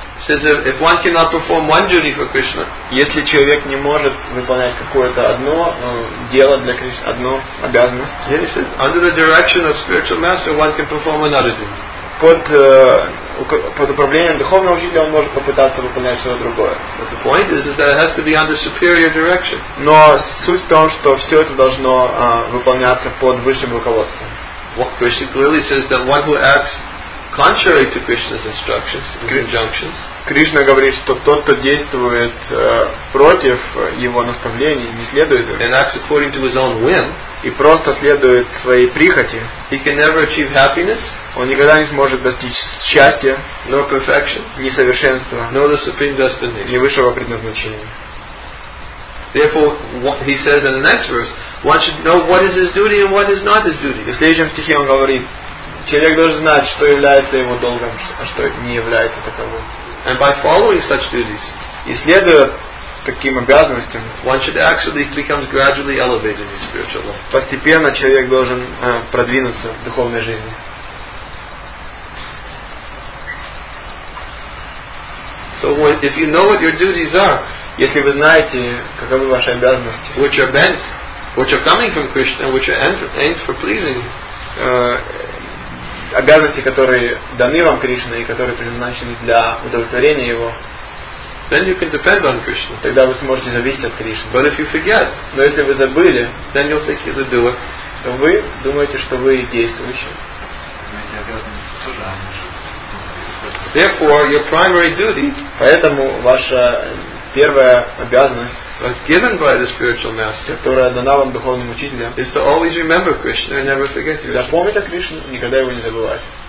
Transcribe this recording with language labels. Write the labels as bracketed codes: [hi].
[en] if one cannot perform one duty for Krishna, [ru] если человек не может выполнять какое-то одно дело для Кришны, одну обязанность, [en] yes, under the direction of spiritual master, one can perform another duty. [ru] Под управлением духовного учителя он может попытаться выполнять что-то другое. [en] But the point is that it has to be under superior direction. [ru] Но суть в том, что все это должно выполняться под высшим руководством. [en] What Krishna clearly says that one who acts contrary to Krishna's instructions, his injunctions, [ru] Krishna говорит, что тот, кто действует против его наставлений, не следует им, [en] and acts according to his own whim, [ru] и просто следует своей прихоти, [en] he can never achieve happiness, [ru] он никогда не сможет достичь счастья, [en] nor perfection, [ru] ни совершенства, [en] nor the supreme destiny, [ru] ни высшего предназначения. [en] Therefore, he says in the next verse, one should know what is his duty and what is not his duty. [ru] В следующем стихе он говорит, человек должен знать, что является его долгом, а что не является таковым. [en] And by following such duties, [ru] и следуя таким обязанностям, [en] one should actually become gradually elevated in spiritual life. [ru] Постепенно человек должен продвинуться в духовной жизни. [en] So if you know what your duties are, [ru] если вы знаете, каковы ваши обязанности, [en] which are bent, which are coming from Krishna, which are aimed for pleasing, [ru] обязанности, которые даны вам Кришной и которые предназначены для удовлетворения Его, [en] then you can depend on Krishna. [ru] Тогда вы сможете зависеть от Кришны. [en] But if you forget, [ru] но если вы забыли, [en] then you'll think you're the doer, [ru] то вы думаете, что вы действующий. Эти обязанности тоже они. [en] Therefore, your primary duty. [ru] Поэтому ваша первая обязанность, [en] that's given by the spiritual master, [ru] которая дана вам духовным учителем, [en] is to always remember Krishna and never forget Krishna. [ru] Да, помните Кришну, никогда его не забывать.